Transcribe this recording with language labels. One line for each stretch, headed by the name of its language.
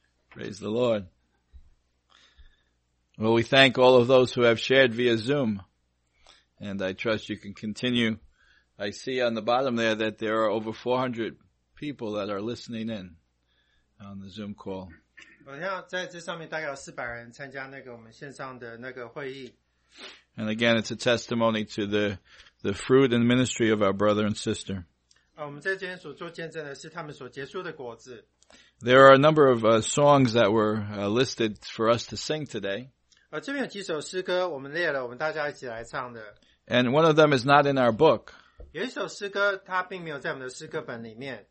English: Praise the Lord. Well, we thank all of those who have shared via Zoom, and I trust you can continue. I see on the bottom there that there are over 400 people that are listening in on the Zoom call.
Chinese: 我现在在这上面大概有400人参加那个我们线上的那个会议。
English: And again, it's a testimony to the fruit and ministry of our brother and sister.
Chinese: 我们在这边所做见证的是他们所结出的果子。
English: There are a number of songs that were listed for us to sing today.
Chinese: 这边有几首诗歌我们列了我们大家一起来唱的。
English: And one of them is not in our book.
Chinese: 有一首诗歌它并没有在我们的诗歌本里面,